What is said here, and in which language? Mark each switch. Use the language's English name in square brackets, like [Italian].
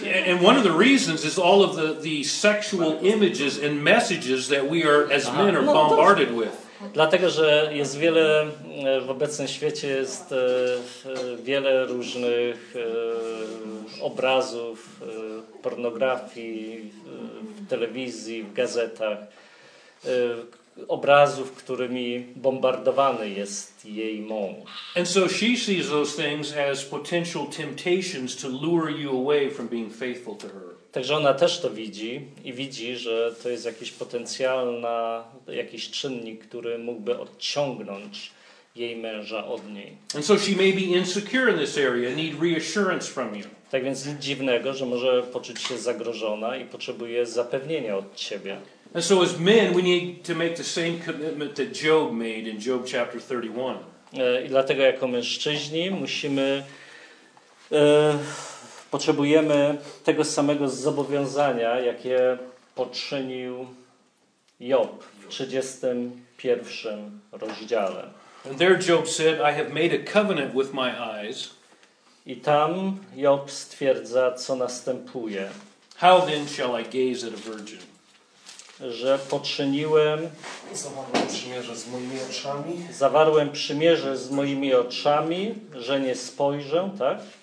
[English] And one of the reasons is all of the sexual images and messages that we are as men are bombarded with. [Polish] Dlatego, że jest wiele w obecnym świecie jest wiele różnych obrazów pornografii w telewizji, w gazetach, obrazów, którymi bombardowany jest jej mąż. [English] And so she sees those things as potential temptations to lure you away from being faithful to her. [Polish] Także ona też to widzi i widzi, że to jest jakiś potencjalny, jakiś czynnik, który mógłby odciągnąć jej męża od niej. [English] And so she may be insecure in this area, need reassurance from you. [Polish] Tak więc nic dziwnego, że może poczuć się zagrożona i potrzebuje zapewnienia od ciebie. [English] And so as men, we need to make the same commitment that Job made in Job chapter 31. [Polish] I dlatego jako mężczyźni musimy... Potrzebujemy tego samego zobowiązania, jakie poczynił Job w 31 rozdziale. [English] And there Job said, I have made a covenant with my eyes. [Polish] I tam Job stwierdza, co następuje. [English] How then shall I gaze at a virgin? [Polish] Że poczyniłem... Zawarłem przymierze z moimi oczami. Zawarłem przymierze z moimi oczami, że nie spojrzę, tak?